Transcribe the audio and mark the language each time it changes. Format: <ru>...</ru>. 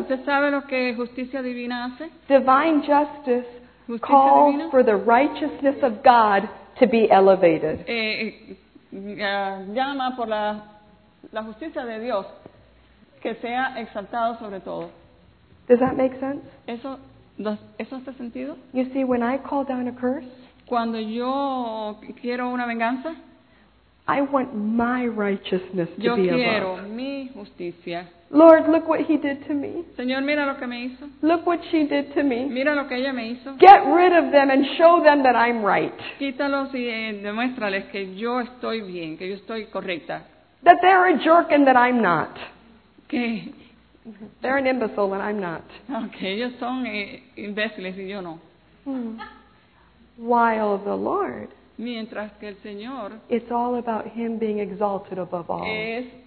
<es>¿Usted sabe lo que justicia divina hace?</es> <en>Divine justice</en> <es>justicia</es> <en>calls</en> <es>divina?</es> <en>For the righteousness of God to be elevated.</en> <es>Llama por la justicia de Dios que sea exaltado sobre todo.</es> <en>Does that make sense?</en> <es>¿Eso hace sentido?</es> <en>You see, when I call down a curse,</en> <es>cuando yo quiero una venganza,</es> <en>I want my righteousness to</en> <es>Yo</es> <en>be above.</en> <es>Yo quiero mi justicia.</es> <en>Lord, look what he did to me.</en> <es>Señor, mira lo que me hizo.</es> <en>Look what she did to me.</en> <es>Mira lo que ella me hizo.</es> <en>Get rid of them and show them that I'm right.</en> <es>Quítalos y demuéstrales que yo estoy bien, que yo estoy correcta.</es> <en>That they're a jerk and that I'm not.</en> <es>Que</es> <en>they're an imbecile and I'm not.</en> <es>Okay, ellos son imbéciles y yo no.</es> <en>While the Lord,</en> <es>mientras que el Señor,</es> <en>it's all about Him being exalted above all.</en>